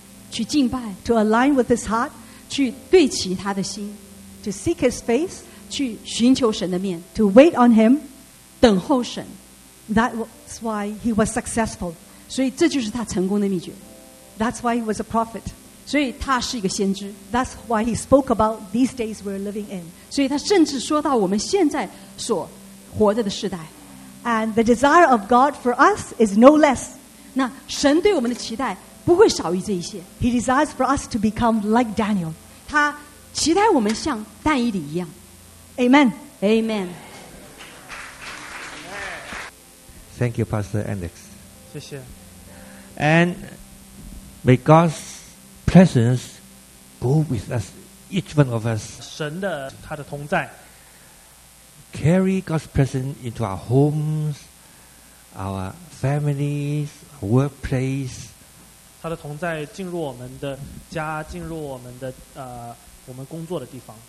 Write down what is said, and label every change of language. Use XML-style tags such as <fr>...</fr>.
<zh>去敬拜。</zh> <en>To align with his heart.</en> <zh>去对齐他的心。</zh> <en>To seek his face.</en> <zh>去寻求神的面。</zh> <en>To wait on him.</en> <zh>等候神。</zh> <en>That's why he was successful.</en> <zh>所以这就是他成功的秘诀。</zh> <en>That's why he was a prophet.</en> <zh>所以他是一个先知。</zh> <en>That's why he spoke about these days we're living in.</en> <zh>所以他甚至说到我们现在所活着的世代。</zh> <en>And the desire of God for us is no less.</en> <zh>那神对我们的期待不会少于这一些。</zh> <en>He desires for us to become like Daniel.</en> <zh>他期待我们像但以理一样。</zh> <en>Amen. Amen. Thank you, Pastor Alex.</en> <zh>谢谢。</zh> <en>And may God's presence go with us, each one of us.</en> <zh>神的他的同在。</zh> <en>Carry God's presence into our homes, our families, our workplace.</en> <zh>他的同在进入我们的家,进入我们的,我们工作的地方。</zh>